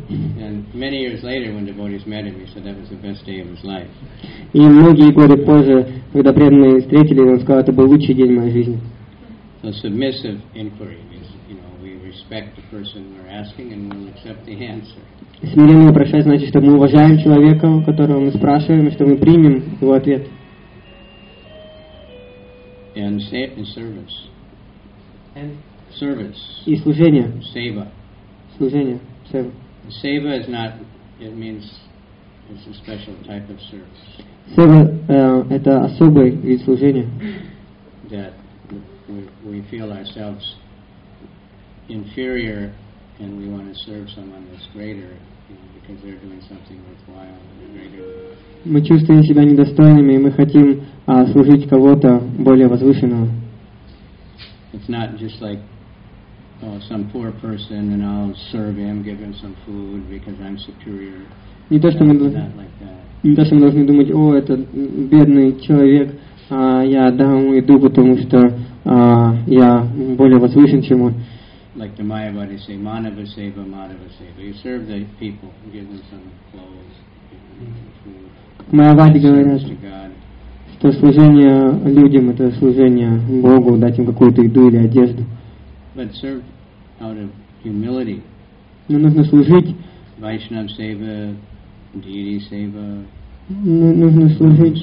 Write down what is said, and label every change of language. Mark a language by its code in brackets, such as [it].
[en] And many years later, when devotees met him, he said that was the best day of his life. [ru] И многие годы позже, когда преданные встретили, он сказал, это был лучший день моей жизни. [en] So submissive inquiry is, you know, we respect the person we're asking and we'll accept the answer. [ru] Смиренное прощание значит, что мы уважаем человека, которого мы спрашиваем, и что мы примем его ответ. [en] And service. And service. [ru] И служение. [en] Seva. [ru] Служение. [en] Seva is not, it means it's a special type of service. [ru] Seva это особый вид служения. [en] That we feel ourselves inferior and we want to serve someone that's greater, you know, because they're doing something worthwhile and greater. [ru] Мы чувствуем себя недостойными, и мы хотим служить кого-то более возвышенного. [en] It's not just like, oh, some poor person and I'll serve him, give him some food because I'm superior. [ru] Не то, что мы должны, думать, о, это бедный человек, а я дам ему еду, потому что я более возвышен, чем он. [en] Like the Mayavadis say, Manava Seva, Madhava Seva. You serve the people, give them some clothes, give them some food. [ru] Говорят, что служение людям это служение Богу, дать им какую-то еду или одежду. [en] But serve out of humility. [ru] Но нужно служить. [en] Vaishnava Seva, Deity Seva. [ru] Нужно служить.